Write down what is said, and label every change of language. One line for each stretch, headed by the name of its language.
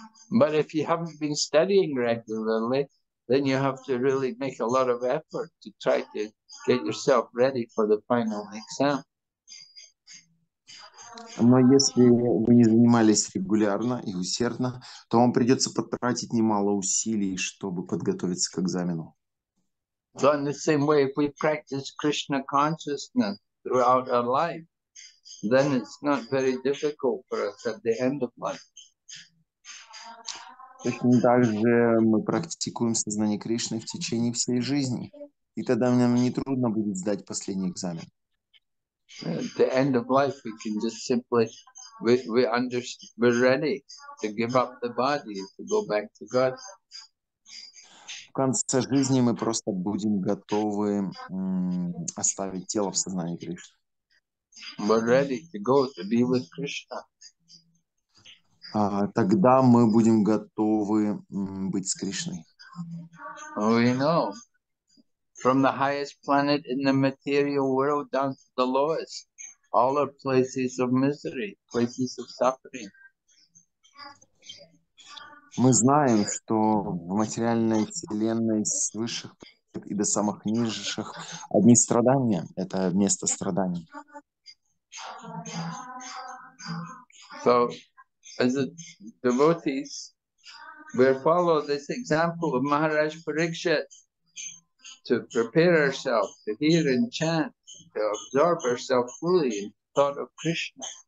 English: But if you haven't been studying regularly, then you have to really make a lot of effort to try to get yourself ready for the final exam.
Russian: Но если вы не занимались регулярно и усердно, то вам придется потратить немало усилий, чтобы подготовиться к экзамену.
English: So in the same way, if we practice Krishna consciousness throughout our life, then it's not very difficult for us at the end of life.
Russian: Точно так же мы практикуем сознание Кришны в течение всей жизни. И тогда нам не трудно будет сдать последний экзамен.
English: At the end of life, we can just simply, we understand, we're ready to give up the body, to go back to God.
Russian: В конце жизни мы просто будем готовы оставить тело в сознании Кришны.
English: We're ready to go to be with Krishna.
Russian: Тогда мы будем готовы быть с Кришной.
English: We know. From the highest planet in the material world down to the lowest, all are places of misery, places of suffering.
Russian: Мы знаем, что в материальной вселенной с высших и до самых низших одни страдания — это место страданий.
English: So, as a devotees, we follow this example of Maharaj Parikshit to prepare ourselves to hear and chant, to absorb ourselves fully in thought of Krishna.